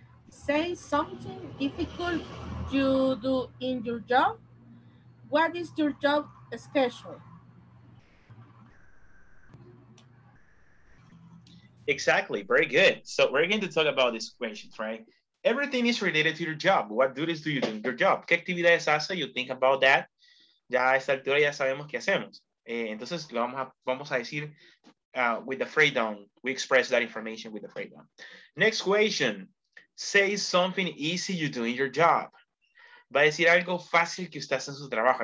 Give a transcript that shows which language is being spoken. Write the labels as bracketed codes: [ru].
[en] Say something difficult to do in your job. What is your job schedule? Exactly, very good. So we're going to talk about these questions, right? Everything is related to your job. What duties do you do in your job? [es] ¿Qué actividades hace? [en] You think about that. [es] Ya a esta altura ya sabemos qué hacemos. Entonces lo vamos a decir [en] with the freedom. We express that information with the freedom. Next question. Say something easy you do in your job. [es] Va a decir algo fácil que usted hace en su trabajo.